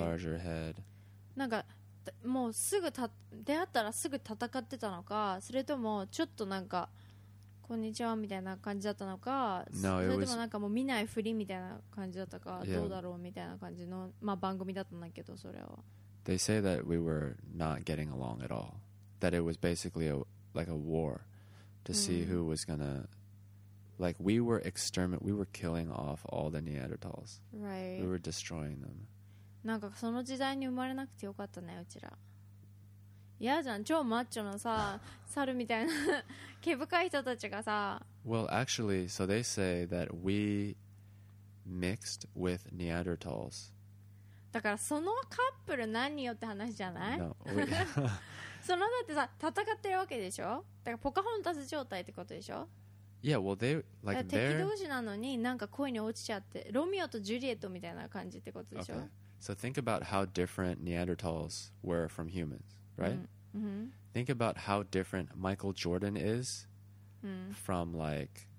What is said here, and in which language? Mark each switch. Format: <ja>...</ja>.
<en>larger head.</en> <ja>なんかもうすぐ出会ったらすぐ戦ってたのかそれともちょっとなんかこんにちはみたいな感じだったのか、</ja> <en>no,</en> <ja>それともなんかもう見ないふりみたいな感じだったか、</ja> <en>yeah.</en> <ja>どうだろうみたいな感じの、まあ、番組だったんだけどそれは。</ja> <en>They say that we were not getting along at all. That it was basically a, like a war to see who was gonna like we were exterminating, we were killing off all the Neanderthals. Right. We were destroying them.</en> <ja>なんかその時代に生まれなくてよかったねうちら。いやじゃん超マッチョのさ猿みたいな毛深い人たちがさ。</ja> <en>Well, actually, so they say that we mixed with Neanderthals.</en> <ja>だからそのカップル何よって話じゃない？そのだってさ戦ってるわけでしょ？だからポカホンタス状態ってことでしょ？</ja> <en>Yeah, well, they, like,</en> <ja>敵同士なのになんか恋に落ちちゃってロミオとジュリエットみたいな感じってことでしょ？</ja> <en>Okay. So think about how different Neanderthals were from humans, right? Mm-hmm. Think about how different Michael Jordan is from like</en>